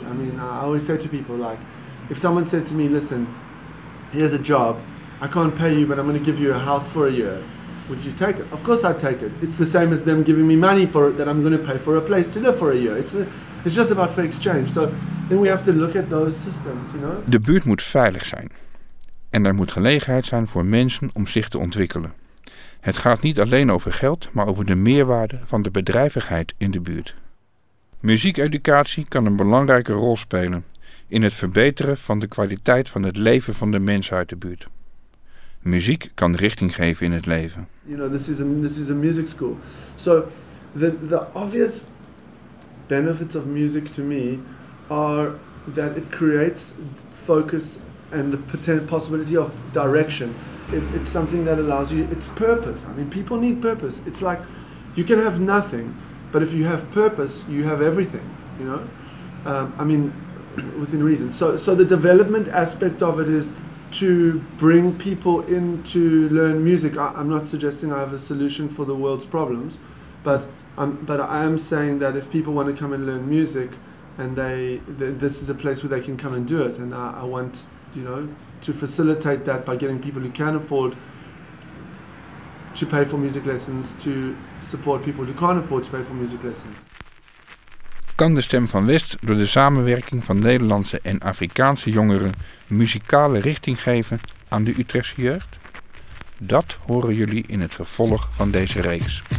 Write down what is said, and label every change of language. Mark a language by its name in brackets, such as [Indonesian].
[English] I mean, I always say to people, like, if someone said to me, listen, here's a job, I can't pay you, but I'm going to give you a house for a year, would you take it? Of course I'd take it. It's the same as them giving me money for it, that I'm going to pay for a place to live for a year. It's just about fair exchange. So then we have to look at those systems, you know? [Dutch] De buurt moet veilig zijn. En er moet gelegenheid zijn voor mensen om zich te ontwikkelen. Het gaat niet alleen over geld, maar over de meerwaarde van de bedrijvigheid in de buurt. Muziekeducatie kan een belangrijke rol spelen in het verbeteren van de kwaliteit van het leven van de mensen uit de buurt. Muziek kan richting geven in het leven. [English] You know, this is a music school. So the obvious benefits of music to me are that it creates focus and the possibility of direction. It's something that allows you, it's purpose. I mean, people need purpose. It's like you can have nothing, but if you have purpose, you have everything, you know? I mean, within reason. So the development aspect of it is to bring people in to learn music. I'm not suggesting I have a solution for the world's problems, but I am saying that if people want to come and learn music, and this is a place where they can come and do it, and I want, you know, to facilitate that by getting people who can afford to pay for music lessons to support people who can't afford to pay for music lessons. [Dutch] Kan de Stem van West door de samenwerking van Nederlandse en Afrikaanse jongeren muzikale richting geven aan de Utrechtse jeugd? Dat horen jullie in het vervolg van deze reeks.